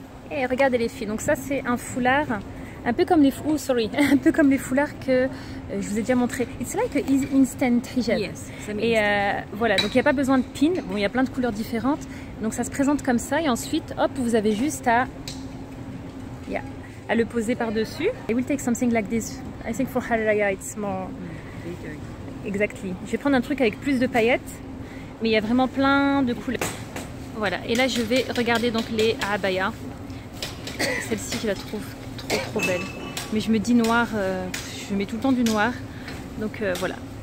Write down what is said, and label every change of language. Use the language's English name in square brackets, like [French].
[French] Et regardez les filles, donc ça c'est un foulard. Un peu comme les un peu comme les foulards que je vous ai déjà montré. [English] It's like an instant hijab. Yes, [French] et voilà, donc il n'y a pas besoin de pin. Bon, il y a plein de couleurs différentes. Donc ça se présente comme ça et ensuite, hop, vous avez juste à à le poser par-dessus. [English] I will take something like this. I think for Hari Raya it's more exactly. [French] Je vais prendre un truc avec plus de paillettes, mais il y a vraiment plein de couleurs. Voilà, et là je vais regarder donc les abaya. Celle-ci, je la trouve trop belle, mais je me dis noir, je mets tout le temps du noir, donc voilà.